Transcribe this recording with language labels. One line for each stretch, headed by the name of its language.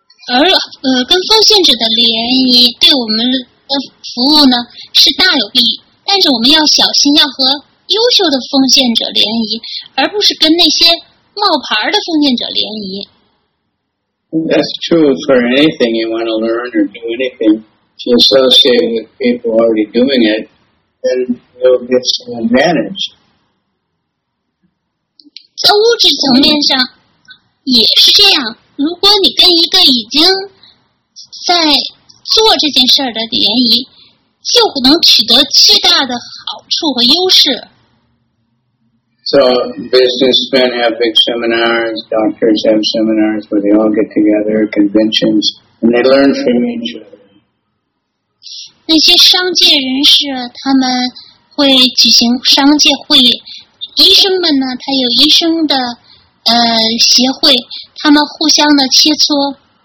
Chinese: 而跟奉献者的联谊对我们的服务呢是大有利，但是我们要小心，要和优秀的奉献者联谊，而不是跟那些冒牌的奉献者联谊。
English: That's true for anything you want to learn or do anything. If you associate with people already doing it, then you'll get some advantage.
Chinese: 在物质层面上也是这样，如果你跟一个已经在做这件事的联谊，就能取得巨大的好处和优势。
English: So businessmen have big seminars, doctors have seminars where they all get together, conventions, and they learn from each other.
Chinese: 那些商界人士，他们会举行商界会议。医生们呢，他有医生的协会，他们互相的切磋。